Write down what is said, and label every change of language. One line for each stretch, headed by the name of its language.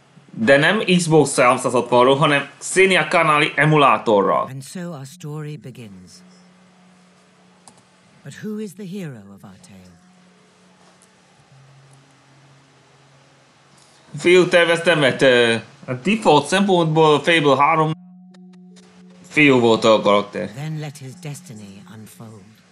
Hungarian: De nem Xbox 360-ról, hanem Xenia Canary emulátorral.
English: And so our story begins. But who is the hero of our tale?
Hungarian: Fiú, terveztem, mert a default szempontból Fable 3 fiú volt a karakter.
English: Then let his destiny unfold.